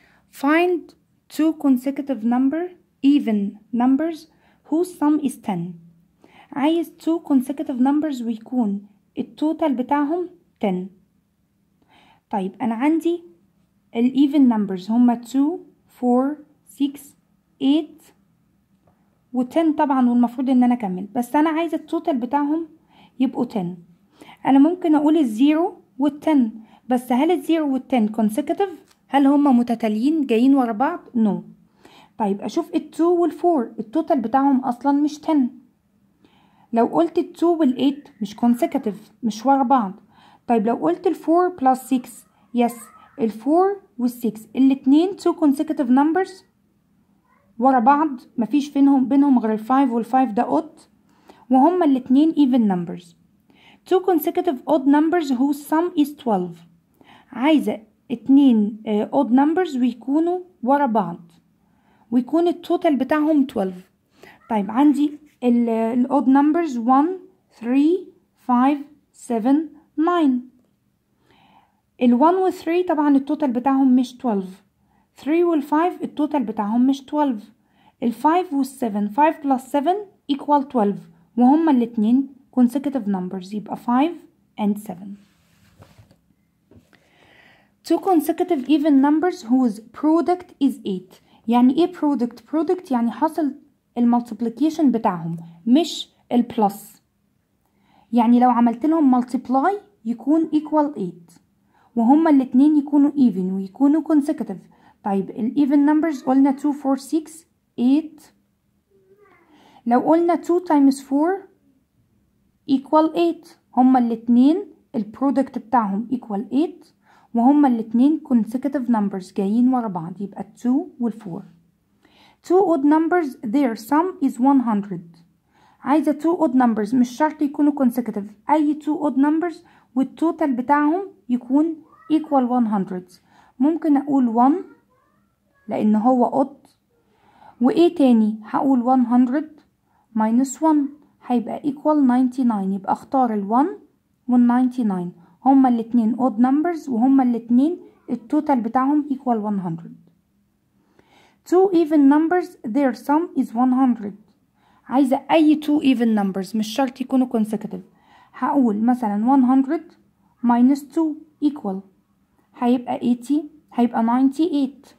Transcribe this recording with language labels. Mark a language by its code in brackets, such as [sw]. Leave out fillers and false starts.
[en] Find two consecutive number, even numbers, whose sum is 10. [ar] عايز [en] two consecutive numbers [ar] ويكون التوتال بتاعهم 10. طيب أنا عندي ال [en] even numbers [ar] هما 2, 4, 6, 8 و 10 طبعا، والمفروض إن أنا أكمل، بس أنا عايز التوتال بتاعهم يبقوا 10. أنا ممكن أقول ال 0 وال 10، بس هل ال 0 وال 10 consecutive؟ هل هما متتاليين جايين ورا بعض؟ نو. طيب أشوف ال 2 وال 4 التوتال بتاعهم أصلا مش 10. لو قلت ال 2 وال 8 مش consecutive، مش ورا بعض. طيب لو قلت ال [en] 4 plus 6، [ar] يس ال 4 وال 6 الاتنين [en] 2 consecutive numbers [ar] ورا بعض، مفيش فينهم بينهم غير ال 5 وال 5 ده odd، وهما الاتنين [en] even numbers. 2 consecutive odd numbers whose sum is 12. [ar] عايزة اتنين [en] odd numbers [ar] ويكونوا ورا بعض ويكون التوتال بتاعهم 12. طيب عندي ال [en] odd numbers [ar] 1, 3, 5, 7, 9. ال 1 و 3 طبعا التوتال بتاعهم مش 12، 3 وال 5 التوتال بتاعهم مش 12، ال 5 وال 7 [en] 5 plus 7 equal 12، [ar] وهما الاتنين [en] consecutive numbers [ar] يبقى [en] 5 and 7. Two consecutive even numbers whose product is 8. [ar] يعني ايه product؟ product يعني حصل المultiplication بتاعهم مش الplus. يعني لو عملت لهم multiply يكون equal 8، وهما الاتنين يكونوا even ويكونوا consecutive. طيب ال even numbers قلنا 2, 4, 6, 8. لو قلنا [en] 2 times 4 equal 8، [ar] هما الاتنين الproduct بتاعهم [en] equal 8، [ar] وهما الاتنين [en] consecutive numbers [ar] جايين ورا بعض، يبقى 2 وال 4. [en] Two odd numbers their sum is 100. [ar] عايزة [en] two odd numbers [ar] مش شرط يكونوا [en] consecutive، [ar] أي [en] two odd numbers والtotal [ar] بتاعهم يكون [en] equal 100. [ar] ممكن أقول 1 لأن هو odd، وإيه تاني؟ هقول [en] 100 minus 1 [ar] هيبقى [en] equal 99. [ar] يبقى أختار ال 1 وال 99، هما الاتنين [en] odd numbers [ar] وهما الاتنين التوتال بتاعهم [en] equal 100. Two even numbers their sum is 100. [ar] عايزة أي [en] two even numbers [ar] مش شرط يكونوا consecutive. هقول مثلا [en] 100 minus 2 equal [ar] هيبقى 80، هيبقى 98.